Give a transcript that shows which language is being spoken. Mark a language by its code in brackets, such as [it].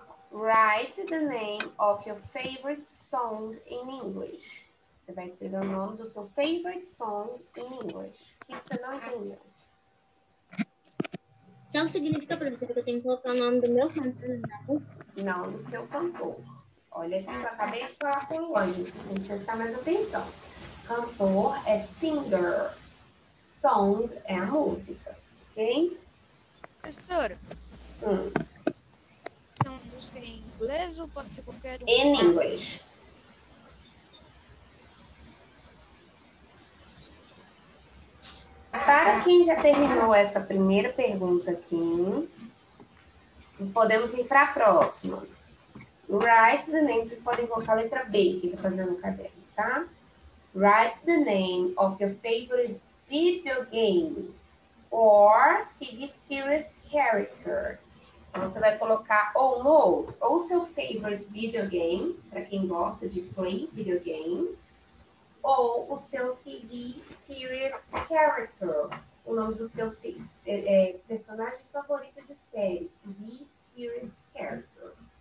[en] Write the name of your favorite song in English. [pt] Você vai escrever o nome do seu favorite song em inglês. O que você não entendeu? Então significa, professor, que eu tenho que colocar o nome do meu cantor? Não, do seu cantor. Olha aqui, eu acabei de falar com o Anjo, se você prestar mais atenção. Cantor é singer. Song é a música, ok? Professor. Então, música em inglês ou pode ser qualquer um? [en] In English. [pt] Para quem já terminou essa primeira pergunta aqui, podemos ir para a próxima. [en] Write the name, [pt] vocês podem colocar a letra B que está fazendo no caderno, tá? [en] Write the name of your favorite video game or TV series character. [pt] Então você vai colocar ou no, ou seu favorite video game, para quem gosta de [en] play video games, [pt] ou o seu TV series character, o nome do seu personagem favorito de série, TV series character.